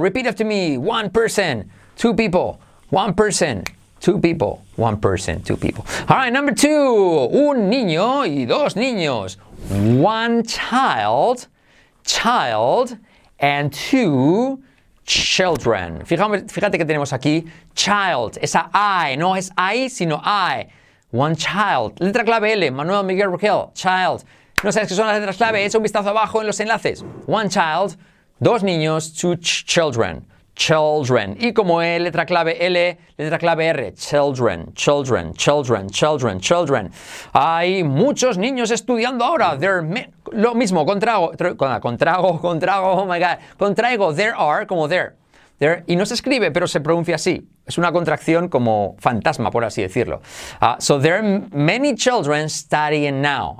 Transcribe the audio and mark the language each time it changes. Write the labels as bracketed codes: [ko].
[en] Repeat after me. One person, two people. One person, two people. One person, two people. All right, number two. [es] Un niño y dos niños. [en] One child, child, and two children. [es] Fíjate que tenemos aquí child, esa I, no es I, sino I. [en] One child. [es] Letra clave L, Manuel Miguel Raquel, child. No sabes qué son las letras clave, echa un vistazo abajo en los enlaces. [en] One child, [es] dos niños, [en] two children. Children. [es] Y como E, letra clave L, letra clave R. [en] Children, children, children, children, children. [es] Hay muchos niños estudiando ahora. Lo mismo, contraigo, [en] oh my God. [es] Contraigo, [en] there are, [es] como there. There. Y no se escribe, pero se pronuncia así. Es una contracción como fantasma, por así decirlo. [en] So, there are many children studying now.